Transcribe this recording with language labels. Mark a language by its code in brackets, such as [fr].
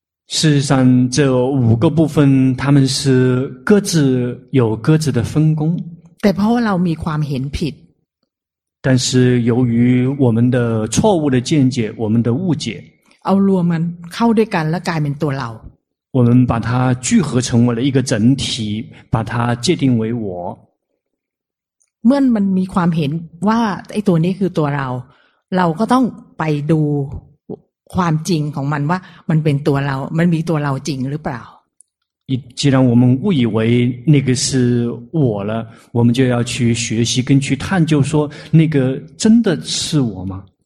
[zh] 事实上这五个部分他们是各自有各自的分工 [th] แต่เพราะว่าเรามีความเห็นผิด [zh] 但是由于我们的错误的见解我们的误解 [th] เอารวมมันเข้าด้วยกันแล้วกลายเป็นตัวเรา วันบัตถาจื้อเหอ [zh] 成为了一个整体把它界定为我 [th] เมื่อมันมีความเห็นว่าไอ้ตัวนี้คือตัวเราเราก็ต้องไปดูความจริงของมันว่ามันเป็นตัวเรามันมีตัวเราจริงหรือเปล่า [zh] 既然我们误以为那个是我了，我们就要去学习跟去探究说那个真的是我吗？